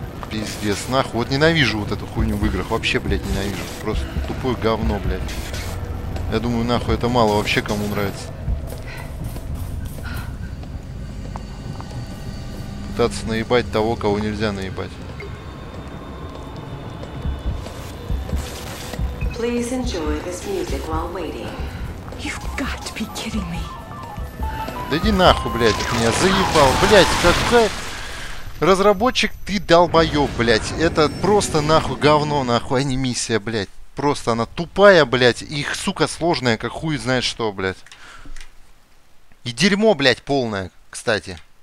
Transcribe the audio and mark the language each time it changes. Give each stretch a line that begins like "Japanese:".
Russian: Пиздец, нахуй. Вот ненавижу вот эту хуйню в играх. Вообще, блядь, ненавижу. Просто тупое говно, блядь. Я думаю, нахуй, это мало вообще кому нравится. Пытаться наебать того, кого нельзя наебать.
English: Please enjoy this music while waiting. You've got to be kidding me.
Russian: Да иди нахуй, блядь, меня заебал. Блядь, какая... Разработчик, ты долбоёб, блядь. Это просто нахуй говно, нахуй анимиссия, блядь. Просто она тупая, блядь. Их, сука, сложная, как хуй знает что, блядь. И дерьмо, блядь, полное, кстати.